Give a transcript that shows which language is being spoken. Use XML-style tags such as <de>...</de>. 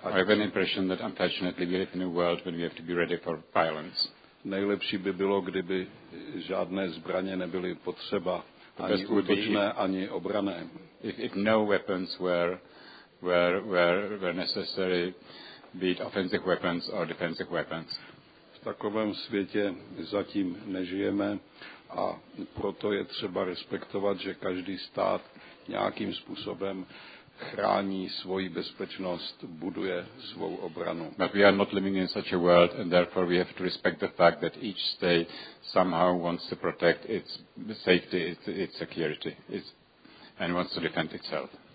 <en>I have an impression that unfortunately we live in a world when we have to be ready for violence.</en> <cs>Nejlepší by bylo, kdyby žádné zbraně nebyly potřeba, ani útočné, ani obrané.</cs> <en>If no weapons were necessary, be it offensive weapons or defensive weapons.</en> <cs>V takovém světě zatím nežijeme, a proto je třeba respektovat, že každý stát nějakým způsobem chrání svoji bezpečnost, buduje svou obranu.</cs> <en>But we are not living in such a world and therefore we have to respect the fact that each state somehow wants to protect its safety, its security, its, and wants to defend itself.</en>